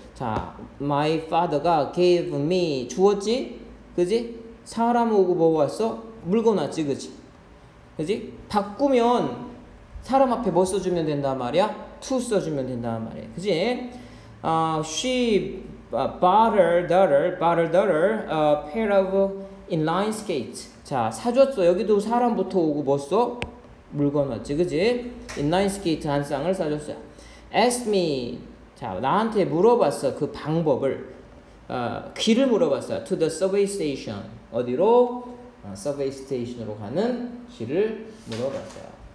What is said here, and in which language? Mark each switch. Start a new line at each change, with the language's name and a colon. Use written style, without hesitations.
Korean: 자,
English: my father
Korean: 가
English: gave me
Korean: 주었지? 그지? 사람 오고 뭐 왔어? 물건 왔지, 그지? 그지? 바꾸면 사람 앞에 뭐 써주면 된단 말이야? To 써주면 된단 말이야. 그지?
English: She bought her daughter, a pair of inline skates.
Korean: 자, 사줬어. 여기도 사람부터 오고 뭐 써? 물건 왔지, 그지? Inline skate 한 쌍을 사줬어요.
English: Ask me.
Korean: 자, 나한테 물어봤어. 그 방법을. 길을 물어봤어요.
English: To the subway station. 어디로?
Korean: Subway station으로 가는 길을 물어봤어요.